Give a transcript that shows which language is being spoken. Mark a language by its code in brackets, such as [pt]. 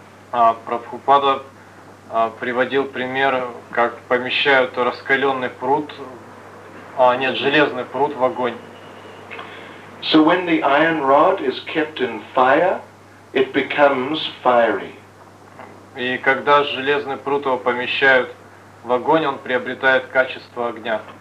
[ru] А Прабхупада приводил пример, как помещают раскаленный пруд, железный пруд в огонь. [en] So when the iron rod is kept in fire, it becomes fiery. [ru] И когда железный прут его помещают в огонь, он приобретает качество огня.